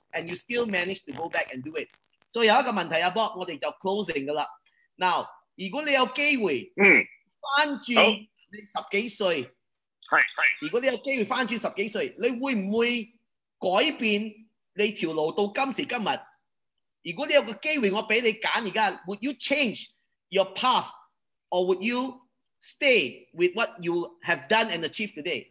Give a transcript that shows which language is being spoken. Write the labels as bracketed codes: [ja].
[en] And you still manage to go back and do it. [yue] 最後一個問題，阿 郭， 我哋就 closing 噶啦。 [en] Now. [yue] 如果你有機會翻轉你十幾歲，如果你有機會翻轉十幾歲，你會唔會改變你條路到今時今日？如果你有個機會，我俾你揀，而家 [en] would you change your path or would you stay with what you have done and achieved today？